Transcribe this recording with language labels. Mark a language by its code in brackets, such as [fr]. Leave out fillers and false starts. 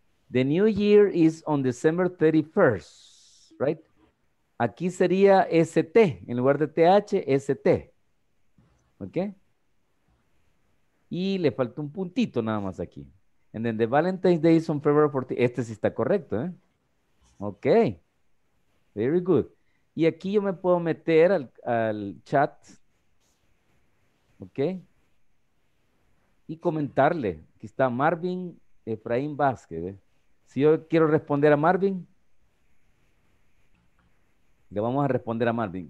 [en] The new year is on December 31st, right? [es] Aquí sería ST, en lugar de TH, ST. ¿Ok? Y le faltó un puntito nada más aquí. [en] And then the Valentine's Day is on February 14th. [es] Este sí está correcto, ¿eh? Ok. [en] Very good. [es] Y aquí yo me puedo meter al chat. ¿Ok? Y comentarle. Aquí está Marvin Efraín Vázquez. ¿Eh? Si yo quiero responder a Marvin, le vamos a responder a Marvin.